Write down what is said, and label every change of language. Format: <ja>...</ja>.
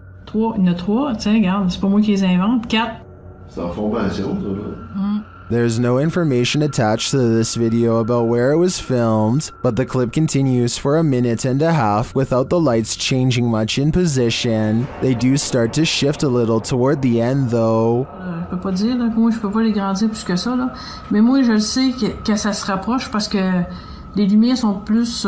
<fr>Trois, il y en a trois, tiens, regarde, c'est pas moi qui les invente. Quatre. C'est en formation, ça, là.</fr> <en>There's no information attached to this video about where it was filmed, but the clip continues for a minute and a half without the lights changing much in position. They do start to shift a little toward the end, though.</en> <fr>Je peux pas dire, là, moi, je peux pas les grandir plus que ça, là. Mais moi, je le sais que ça se rapproche parce que les lumières sont plus.</fr>